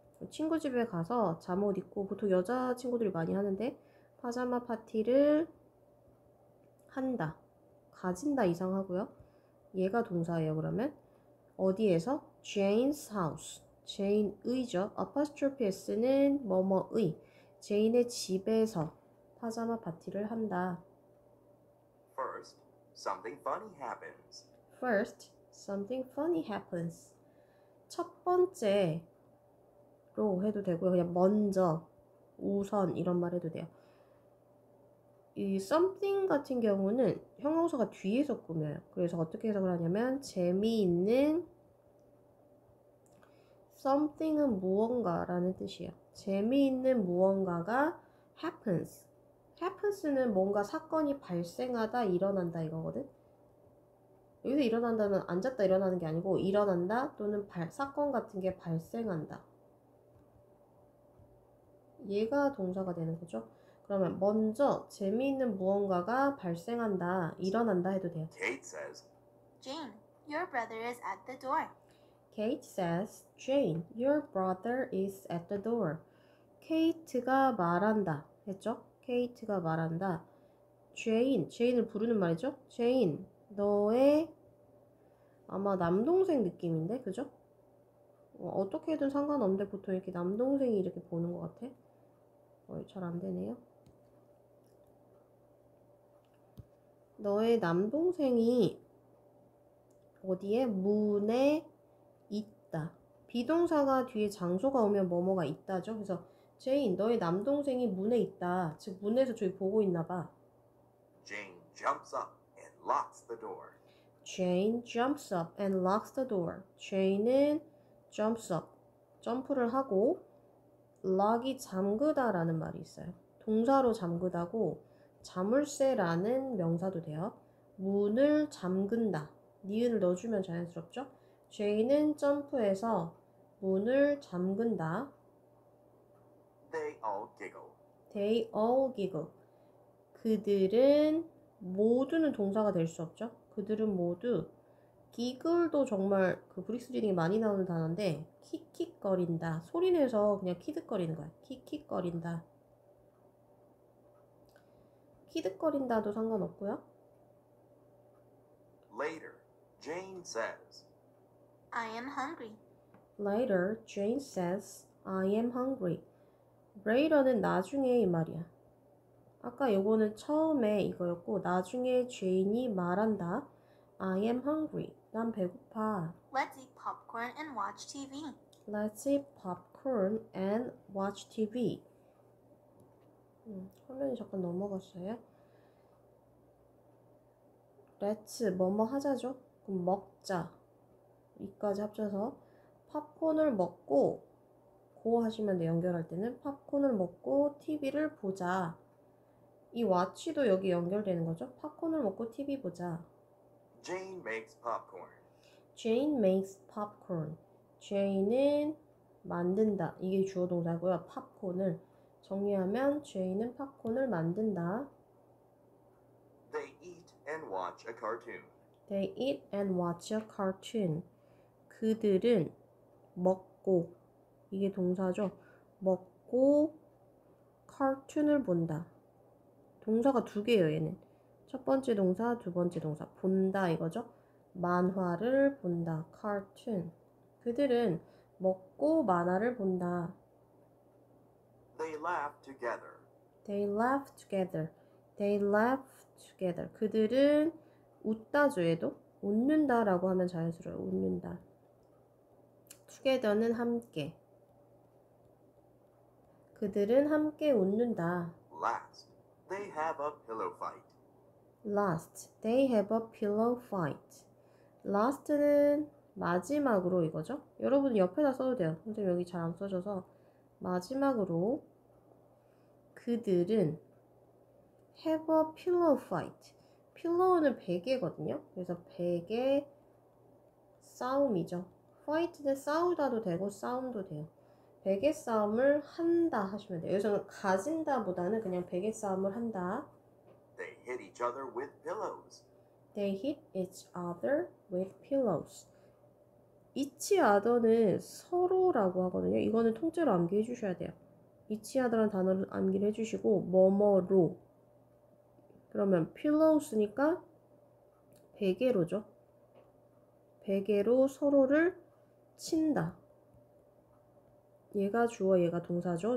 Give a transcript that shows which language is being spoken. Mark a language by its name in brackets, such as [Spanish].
[Korean] 친구 집에 가서 잠옷 입고 보통 여자 친구들이 많이 하는데 파자마 파티를 한다. 가진다 이상하고요. 얘가 동사예요. 그러면 어디에서? [English] Jane's house. Jane의죠. [Korean] apostrophe s는 뭐뭐의. Jane의 집에서 파자마 파티를 한다. [English] First, something funny happens. First, something funny happens. [Korean] 첫 번째로 해도 되고요. 그냥 먼저, 우선 이런 말 해도 돼요. 이 something 같은 경우는 형용사가 뒤에서 꾸며요. 그래서 어떻게 해석을 하냐면 재미있는 something은 무언가라는 뜻이에요. 재미있는 무언가가 happens. happens는 뭔가 사건이 발생하다, 일어난다 이거거든. 여기서 일어난다는 앉았다 일어나는 게 아니고 일어난다 또는 사건 같은 게 발생한다. 얘가 동사가 되는 거죠. 그러면 먼저 재미있는 무언가가 발생한다, 일어난다 해도 돼요. [English] Kate says, Jane, your brother is at the door. Kate says, Jane, your brother is at the door. [Korean] Kate가 말한다 했죠? Kate가 말한다. Jane, Jane을 부르는 말이죠? Jane, 너의 아마 남동생 느낌인데, 그죠? 어떻게든 상관없는데 보통 이렇게 남동생이 이렇게 보는 것 같아. 잘 안 되네요. 너의 남동생이 어디에? 문에 있다. 비동사가 뒤에 장소가 오면 뭐뭐가 있다죠. 그래서 제인, 너의 남동생이 문에 있다. 즉 문에서 저기 보고 있나 봐. [English] Jane jumps up and locks the door. Jane jumps up and locks the door. [Korean] Jane은 jumps up, 점프를 하고 lock이 잠그다라는 말이 있어요. 동사로 잠그다고 자물쇠라는 명사도 돼요. 문을 잠근다. 니은을 넣어주면 자연스럽죠? 제인은 점프해서 문을 잠근다. [English] They all giggle. They all giggle. [Korean] 그들은 모두는 동사가 될 수 없죠. 그들은 모두 giggle도 정말 그 브릭스 리딩이 많이 나오는 단어인데 킥킥거린다. 소리 내서 그냥 키득거리는 거야. 킥킥거린다. 키득거린다도 상관없고요. [English] Later, Jane says, I am hungry. Later, Jane says, I am hungry. [Korean] Later는 나중에 이 말이야. 아까 이거는 처음에 이거였고 나중에 제인이 말한다. [English] I am hungry. [Korean] 난 배고파. [English] Let's eat popcorn and watch TV. Let's eat popcorn and watch TV. [Korean] 화면이 잠깐 넘어갔어요. Let's 뭐뭐 하자죠. 그럼 먹자. 이까지 합쳐서 팝콘을 먹고 고 하시면 돼. 연결할 때는 팝콘을 먹고 TV를 보자. 이 watch도 여기 연결되는 거죠. 팝콘을 먹고 TV 보자. [English] Jane makes popcorn. Jane makes popcorn. Jane은 [Korean] 만든다. 이게 주어 동사고요. 팝콘을 정리하면 Jane은 팝콘을 만든다. [English] They eat and watch a cartoon. They eat and watch a cartoon. [Korean] 그들은 먹고 이게 동사죠. 먹고 카툰을 본다. 동사가 두 개예요, 얘는. 첫 번째 동사, 두 번째 동사. 본다 이거죠. 만화를 본다. 카툰. 그들은 먹고 만화를 본다. [English] They laugh together. They laugh together. They laugh together. [Korean] 그들은 웃다죠, 얘도. 웃는다라고 하면 자연스러워요. 웃는다. together는 함께. 그들은 함께 웃는다. [English] Last, they have a pillow fight. Last, they have a pillow fight. [Korean] Last는 마지막으로 이거죠. 여러분 옆에다 써도 돼요. 근데 여기 잘 안 써져서 마지막으로 그들은 [English] have a pillow fight. [Korean] Pillow는 베개거든요. 그래서 베개 싸움이죠. Fight는 싸우다도 되고 싸움도 돼요. 베개 싸움을 한다 하시면 돼요. 여기서는 가진다보다는 그냥 베개 싸움을 한다. [English] They hit each other with pillows. They hit each other with pillows. [Korean] Each other는 서로라고 하거든요. 이거는 통째로 암기해 주셔야 돼요. Each other란 단어를 암기를 해주시고 뭐뭐로 그러면 pillows니까 베개로죠. 베개로 서로를 친다. 얘가 주어, 얘가 동사죠.